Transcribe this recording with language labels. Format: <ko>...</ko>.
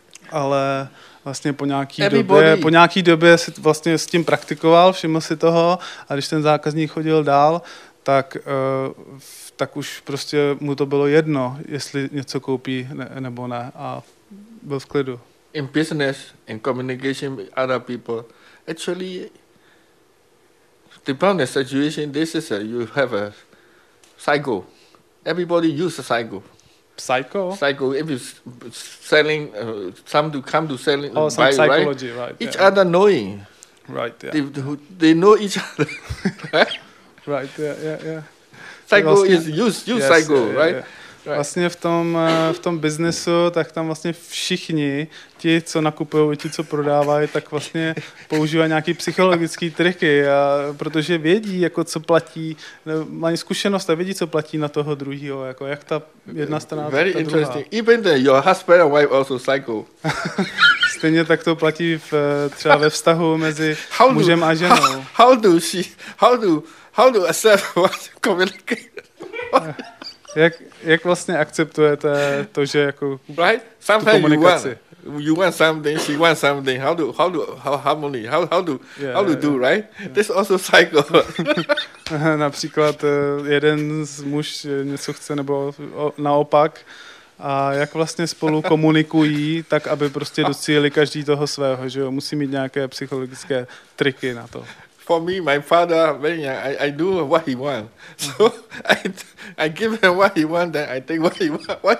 <cs>Ale vlastně po nějaký době si vlastně s tím praktikoval, všiml si toho a když ten zákazník chodil dál, tak už prostě mu to bylo jedno, jestli něco koupí nebo ne a byl v klidu.</cs> <en>In business, in communication with other people, actually, depending on the situation, this is you have a psycho. Everybody use a psycho. Psycho? Psycho, if you're selling, come to selling, oh, some buy, psychology, right? Each other knowing. Right, yeah. They know each other. Right, yeah. Psycho is use psycho, yeah, right? Yeah. Right.</en> <cs>Vlastně v tom biznesu, tak tam vlastně všichni, ti, co nakupují i ti, co prodávají, tak vlastně používají nějaký psychologický triky, a protože vědí, jako co platí, mají zkušenost a vědí, co platí na toho druhého, jako jak ta jedna strana,</cs> <en>very</en> <cs>ta</cs> <en>interesting.</en> <cs>Druhá.</cs> <en>Even the, your husband and wife also psycho.</en> <cs>Stejně tak to platí třeba ve vztahu mezi mužem a ženou.</cs> <en>How do accept what communicate?</en> <cs>Jak vlastně akceptujete to, že jako</cs> <en>right? Sometimes</en> <cs>tu komunikaci?</cs> <en>You want something, she wants something. How do, right? Yeah. This also cycle.</en> <cs>Například jeden z muž něco chce nebo naopak. A jak vlastně spolu komunikují, tak aby prostě docílili každý toho svého, že jo? Musí mít nějaké psychologické triky na to.</cs> <en>For me, my father, very young, I do what he wants. So I give him what he wants, then I take what he wants.</en>